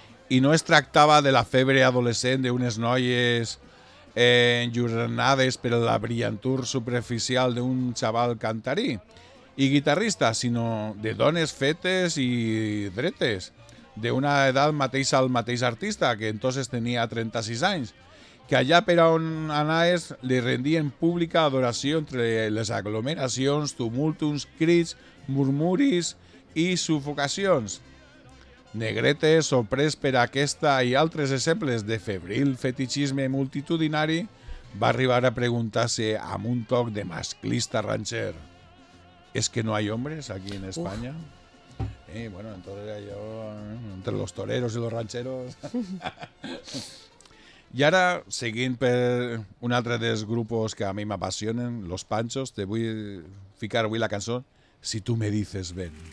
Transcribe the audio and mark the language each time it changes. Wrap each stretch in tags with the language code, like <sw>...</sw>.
<ca>I no es tractava de la febre adolescent d'unes noies enjornades per la brillantur superficial d'un xaval cantarí i guitarrista, sinó de dones fetes i dretes, d'una edat mateixa al mateix artista, que entonces tenia 36 anys, que allà per on anaves li rendien pública adoració entre les aglomeracions, tumultums, crits, murmuris i sufocacions. Negrete, sorprès per aquesta i altres exemples de febril fetichisme multitudinari, va arribar a preguntar-se amb un toc de masclista rancher:</ca> <es>«¿Es que no hay hombres aquí en España?». Y bueno, entonces yo, entre los toreros y los rancheros...</es> <ca>I ara, seguint per un altre dels grups que a mi m'apassionen, Los Panchos, te vull ficar avui la cançó «Si tú me dices, ven».</ca>